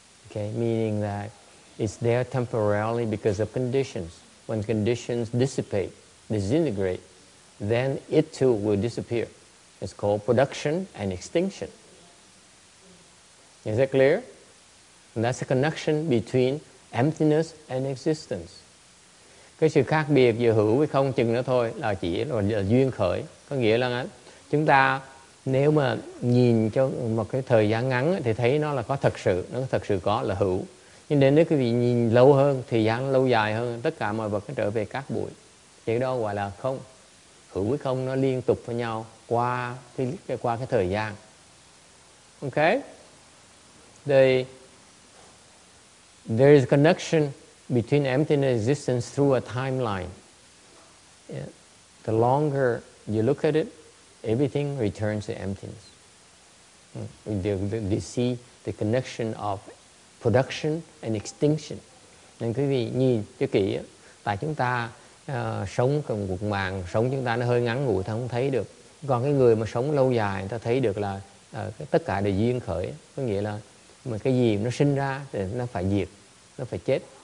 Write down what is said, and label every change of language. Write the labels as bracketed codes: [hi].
[en] Okay, meaning that it's there temporarily because of conditions. When conditions dissipate, disintegrate, then it too will disappear. It's called production and extinction. Is that clear? And that's the connection between emptiness and existence. [vi] Cái sự khác biệt giữa hữu với không chừng nữa thôi là chỉ là duyên khởi. Có nghĩa là chúng ta nếu mà nhìn cho một cái thời gian ngắn thì thấy nó là có thật sự, nó thật sự có là hữu. Nhưng đến nếu quý vị nhìn lâu hơn, thời gian lâu dài hơn, tất cả mọi vật nó trở về cát bụi. Chỉ đó gọi là không. Hữu với không nó liên tục với nhau qua cái thời gian. [en] Okay? There is a connection between emptiness and existence through a timeline. The longer you look at it, everything returns to emptiness. We see the connection of production and extinction. [vi] Nên quý vị nhìn cho kỹ, tại chúng ta sống cần cuộc mạng, sống chúng ta nó hơi ngắn ngủi, ta không thấy được. Còn cái người mà sống lâu dài, ta thấy được là tất cả đều duyên khởi, có nghĩa là mà cái gì nó sinh ra thì nó phải diệt, nó phải chết.